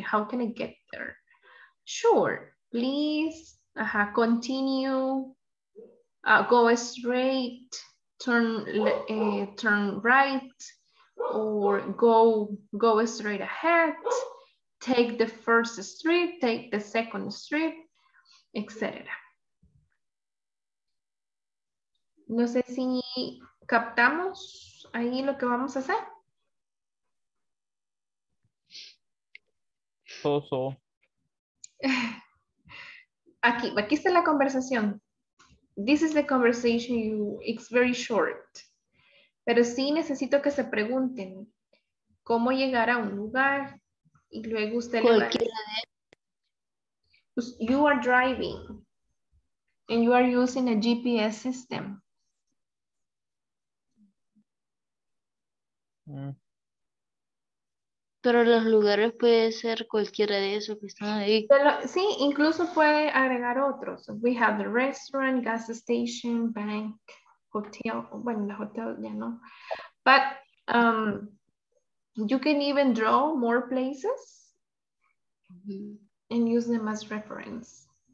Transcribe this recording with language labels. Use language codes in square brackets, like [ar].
[en] How can I get there? Sure, please continue, go straight, turn right, or go straight ahead, take the first street, take the second street, etc. [es] No sé si captamos ahí lo que vamos a hacer. [en] So. [es] Aquí está la conversación. [en] This is the conversation. It's very short. [es] Pero sí necesito que se pregunten cómo llegar a un lugar y luego usted le va. [en] You are driving and you are using a GPS system. [es] Pero los lugares puede ser cualquiera de esos que están ahí. Sí, incluso puede agregar otros. [en] We have the restaurant, gas station, bank, hotel. [es] Bueno, el hotel ya no. [en] But you can even draw more places and use them as reference.